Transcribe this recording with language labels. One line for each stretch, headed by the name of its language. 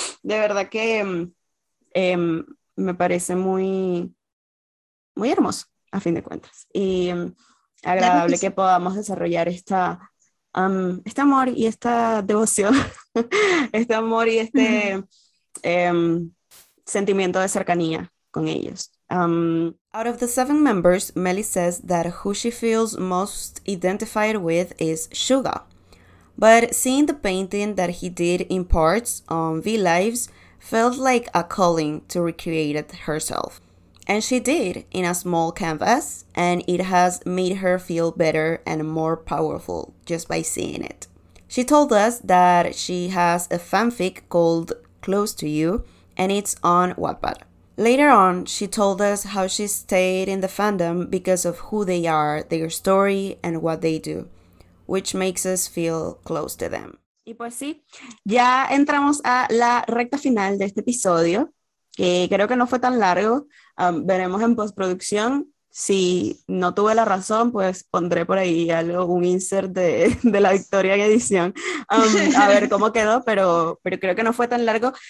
Spanish: De verdad que me parece muy, muy hermoso, a fin de cuentas. Y Claro que agradable que sí. podamos desarrollar este amor y esta devoción, este amor y este sentimiento de cercanía con ellos.
English: Out of the seven members, Melly says that who she feels most identified with is Suga. But seeing the painting that he did in parts on V Lives felt like a calling to recreate it herself. And she did, in a small canvas, and it has made her feel better and more powerful just by seeing it. She told us that she has a fanfic called Close to You, and it's on Wattpad. Later on, she told us how she stayed in the fandom because of who they are, their story, and what they do, which makes us feel close to them.
Spanish: Y pues sí, ya entramos a la recta final de este episodio, que creo que no fue tan largo. Veremos en postproducción. Si no tuve la razón, pues pondré por ahí algo, un insert de la victoria en edición. A ver cómo quedó, pero creo que no fue tan largo.